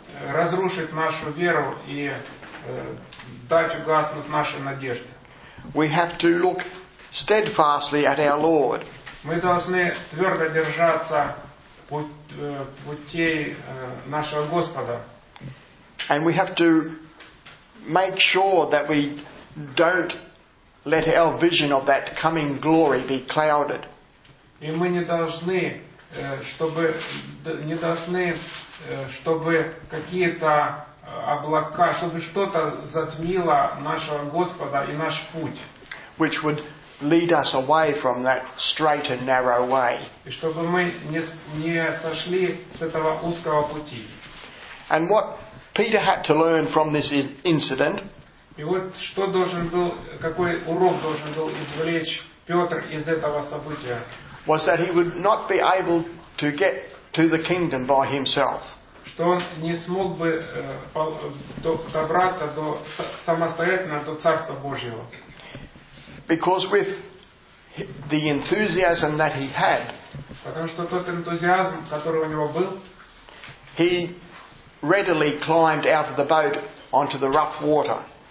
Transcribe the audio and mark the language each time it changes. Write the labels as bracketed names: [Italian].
[Russian] Разрушить нашу веру и дать угаснуть нашей надежде. [English] We have to look steadfastly at our Lord. [Russian] Мы должны твердо держаться путей нашего Господа. [English] And we have to make sure that we don't let our vision of that coming glory be clouded. [Russian] И мы не должны, чтобы какие-то облака, чтобы что-то затмило нашего Господа и наш путь. [English] Which would lead us away from that straight and narrow way. [Russian] И чтобы мы не сошли с этого узкого пути. [English] And what Peter had to learn from this incident. [Russian] И вот что должен был, какой урок должен был извлечь Петр из этого события. [English] Was that he would not be able to get to the kingdom by himself. [Russian] Что он не смог бы добраться до самостоятельно до Царства Божьего. [English] Because with the enthusiasm that he had, [Russian] потому что тот энтузиазм, который у него был, [English] he readily climbed out of the boat onto the rough water.